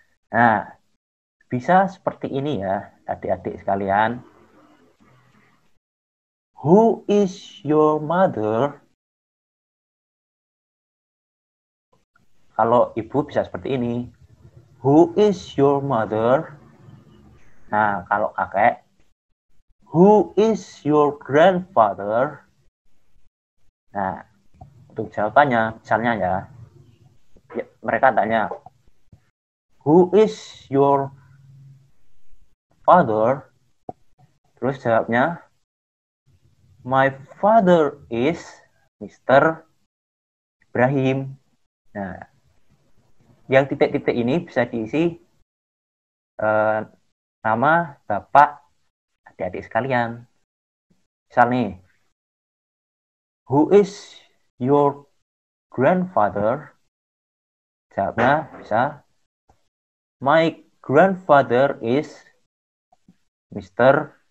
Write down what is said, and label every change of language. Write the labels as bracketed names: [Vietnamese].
[Indonesian] Nah, bisa seperti ini ya, adik-adik sekalian. [English] Who is your mother? [Indonesian] Kalau ibu bisa seperti ini. [English] Who is your mother? [Indonesian] Nah, kalau kakek, [English] who is your grandfather? [Indonesian] Nah, untuk jawabannya, misalnya ya, mereka tanya, [English] who is your father? [Indonesian] Terus jawabnya, [English] my father is Mr. Ibrahim. [Indonesian] Nah, yang titik-titik ini bisa diisi nama bapak adik-adik sekalian. Misal nih, [English] who is your grandfather? [Indonesian] Jawabnya bisa, [English] my grandfather is Mr.